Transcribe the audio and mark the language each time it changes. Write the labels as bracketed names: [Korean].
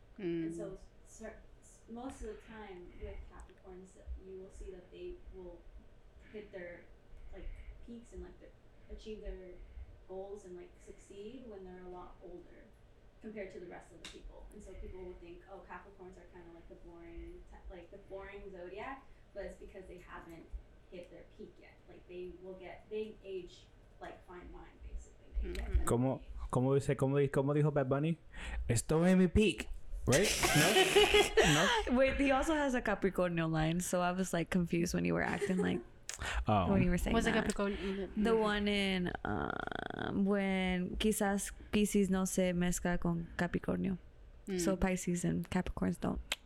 [English] And so most of the time with Capricorns, you will see that they will hit their like peaks and like achieve their goals and like succeed when they're a lot older compared to the rest of the people. And so people will think, oh, Capricorns are kind of like the boring zodiac, but it's because they haven't hit their peak yet. Like they age like fine wine. [Spanish] Como dijo Bad Bunny, estoy en mi peak, [English] right? [Spanish] No? No? [English] Wait, he also has a Capricornio line, so I was like confused when you were acting like when you were saying what's that. A Capricornio? The one in when [Spanish] quizás Pisces no se mezcla con Capricornio, [English] so Pisces and Capricorns don't.